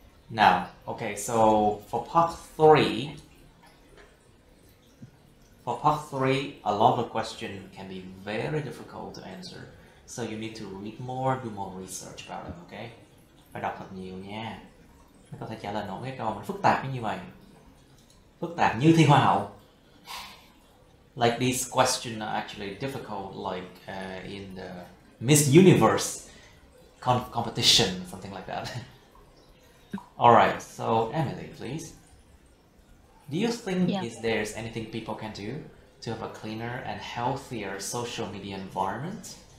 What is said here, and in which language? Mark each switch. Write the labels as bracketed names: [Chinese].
[English] Now, okay, so for part three, a lot of the questions can be very difficult to answer. So you need to read more, do more research about them, okay? [Vietnamese] Phải đọc thật nhiều nha. Mới có thể trả lời nổi cái câu mà phức tạp như vậy. Phức tạp như thi hoa hậu. [English] Like these questions are actually difficult, like in the Miss Universe competition, something like that. Alright, so Emily, please. Do you think there's anything people can do to have a cleaner and healthier social media environment?